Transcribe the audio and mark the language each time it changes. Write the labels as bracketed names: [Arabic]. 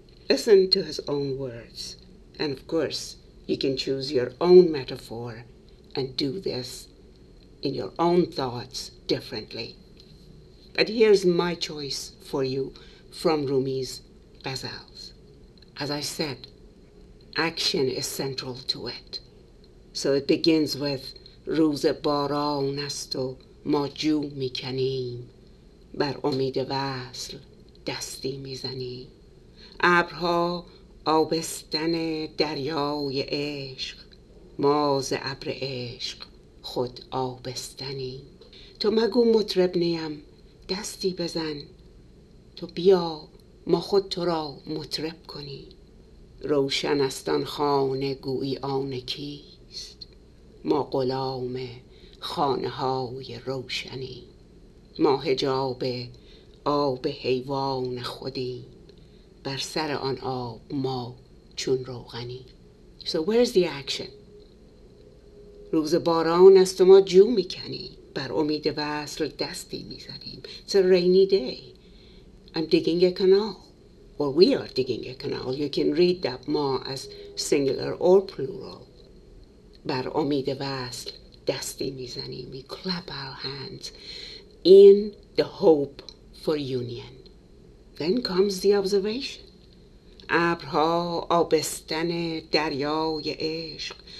[English] Listen to his own words. And of course, you can choose your own metaphor and do this in your own thoughts differently. But here's my choice for you from Rumi's ghazals. As I said, action is central to it. So it begins with [Persian] روز باران است و ما جو میکنیم بر امید وصل دستی میزنیم ابرها آبستن دریای عشق ما ز ابر عشق خود آبستنیم تو مگو مطرب نیم دستی بزن تو بیا ما خود تو را مطرب کنیم روشن است آن خانه گویی آن کیست ما غلام خانه های روشنی ما حجاب آب حیوان خودیم بر سر آن آب ما چون روغنی. [English] So where's the action? روز باران است و ما جو میکنیم، بر امید وصل دستی میزنیم. It's a rainy day. I'm digging a canal. Or we are digging a canal. You can read that ما as singular or plural. [Persian] بر امید وصل دستی میزنیم. [English] We clap our hands in the hope for union. Then comes the observation. [Persian] ابرها آبستن دریای عشق.